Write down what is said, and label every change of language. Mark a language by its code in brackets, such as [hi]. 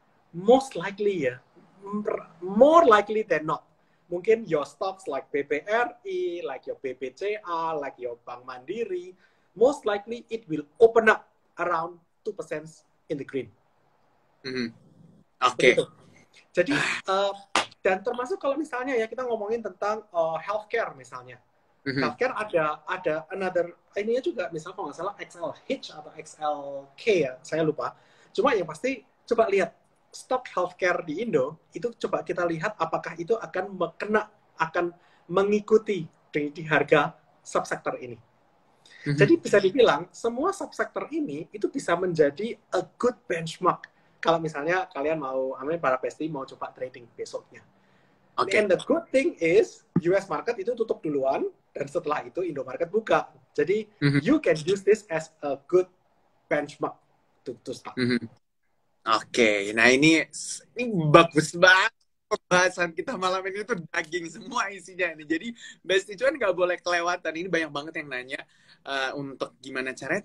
[en] Most likely ya, more likely than not, mungkin your stocks like BBRI, like your BBCA, like your Bank Mandiri, most likely it will open up around 2% in the green. Mm-hmm. Oke. Okay. [id] Jadi, dan termasuk kalau misalnya ya kita ngomongin tentang healthcare misalnya. Mm-hmm. Healthcare [en] ada another, [id] ininya juga misalnya kalau nggak salah XLH atau XLK ya, saya lupa. Cuma yang pasti, coba lihat. Stok healthcare di Indo itu coba kita lihat apakah itu akan mengikuti di harga subsektor ini. Mm-hmm. Jadi bisa dibilang semua subsektor ini itu bisa menjadi [en] a good benchmark [id] kalau misalnya kalian mau, amin para besti mau coba trading besoknya. Okay. [en] And the good thing is [id] US market itu tutup duluan dan setelah itu Indo market buka. Jadi mm-hmm. [en] you can use this as a good benchmark to start. Mm-hmm. Oke, okay. [id] Nah ini bagus banget pembahasan kita malam ini tuh daging semua isinya ini. Jadi Besti Cuan nggak boleh kelewatan, ini banyak banget yang nanya untuk gimana caranya.